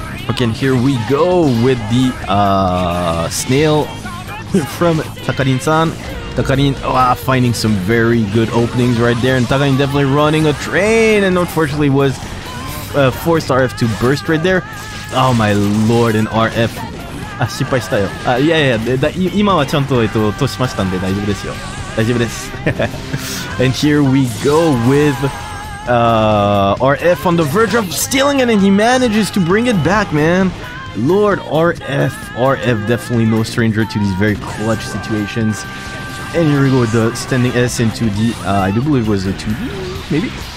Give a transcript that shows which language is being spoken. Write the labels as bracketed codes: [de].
[en] Okay, and here we go with the snail from Takarin-san. Takarin, finding some very good openings right there. And Takarin definitely running a train. And unfortunately was forced RF to burst right there. Oh my lord, and RF. Ah, [ja] 失敗したよ。今はちゃんと落としましたんで大丈夫ですよ。大丈夫です。 [en] And here we go with... RF on the verge of stealing it, and he manages to bring it back, man. Lord, RF. RF definitely no stranger to these very clutch situations. And here we go with the standing S in 2D. I do believe it was a 2D, maybe?